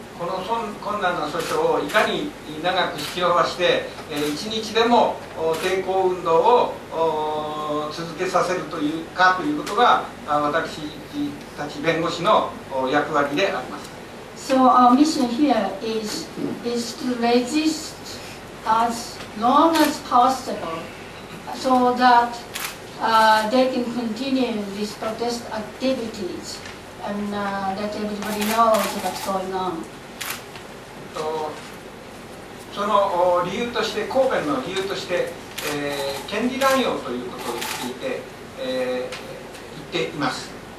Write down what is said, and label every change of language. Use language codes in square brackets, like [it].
[ja] この困難な訴訟をいかに長く引き延ばして、一日でも抵抗運動を続けさせるというかということが、私たち弁護士の役割であります。 [en] So our mission here is to resist as long as possible so that they can continue these protest activities and let everybody know what's going on. [ja] その理由として、抗弁の理由として、権利乱用ということについて、言っています。